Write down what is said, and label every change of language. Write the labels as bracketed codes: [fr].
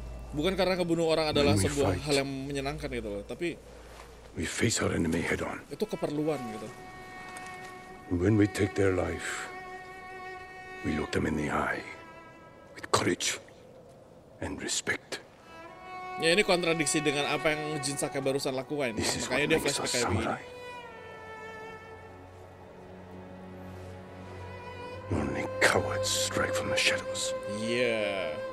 [id] Bukan karena kebunuh orang adalah sebuah hal yang menyenangkan gitu loh, tapi [en] we face our enemy head on. [id] Itu keperluan gitu. [en] When we take their life, we look them in the eye with courage and respect. [id] Ya ini kontradiksi dengan apa yang Jinsaka barusan lakuin. [en] This is [id] makanya dia flashback kayak gini. [en] Only cowards strike from the shadows. Yeah.